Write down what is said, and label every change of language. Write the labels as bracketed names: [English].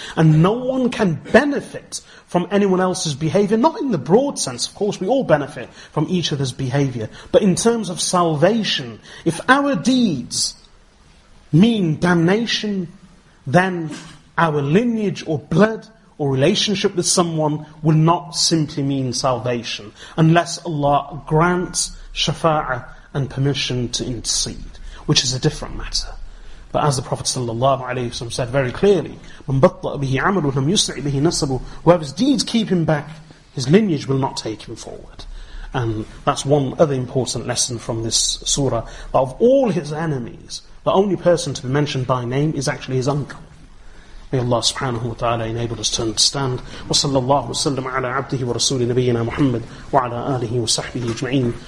[English] And no one can benefit from anyone else's behavior, not in the broad sense, of course, we all benefit from each other's behavior, but in terms of salvation, if our deeds mean damnation, then our lineage or blood or relationship with someone will not simply mean salvation, unless Allah grants shafa'ah and permission to intercede, which is a different matter. But as the Prophet ﷺ said very clearly, [Arabic] مَنْ بَطَّأَ بِهِ عَمَلُهُ لَمْ يُسْعِ بِهِ نَصَبُهُ. [English] Whoever's deeds keep him back, his lineage will not take him forward. And that's one other important lesson from this surah. But of all his enemies, the only person to be mentioned by name is actually his uncle. May Allah subhanahu wa ta'ala enable us to understand. [Arabic] وَصَلَّى اللَّهُ وَسَلَّمَ عَلَىٰ عَبْدِهِ وَرَسُولِ نَبِيِّنَا مُحَمَّدٍ وَعَلَىٰ آلِهِ وَصَحْبِهِ اجْمَعِينَ.